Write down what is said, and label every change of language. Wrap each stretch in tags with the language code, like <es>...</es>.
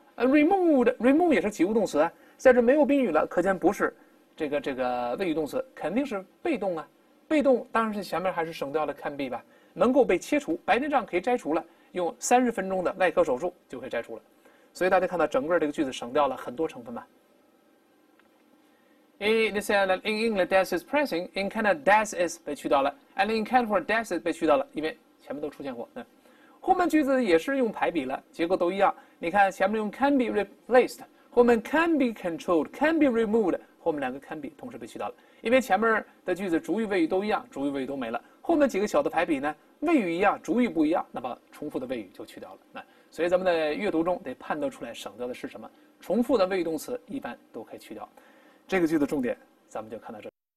<zh>removed 也是及物动词，在这没有宾语了，可见不是这个谓语动词，肯定是被动啊。被动当然是前面还是省掉了 can be 吧，能够被切除，白内障可以摘除了，用30分钟的外科手术就可以摘除了。所以大家看到整个这个句子省掉了很多成分吧。</zh> <en>It is said that in England, death is pressing. In Canada, death is</en> <zh>被去掉了</zh> <en>，and in California, death is</en> <zh>被去掉了，因为前面都出现过。那后面句子也是用排比了，结构都一样。你看前面用</zh> <en>can be replaced，</en> <zh>后面</zh> <en>can be controlled， can be removed，</en> <zh>后面两个</zh> <en>can be</en> <zh>同时被去掉了，因为前面的句子主语谓语都一样，主语谓语都没了。后面几个小的排比呢，谓语一样，主语不一样，那么重复的谓语就去掉了。那所以咱们在阅读中得判断出来省掉的是什么，重复的谓语动词一般都可以去掉。这个句子重点，咱们就看到这。</zh>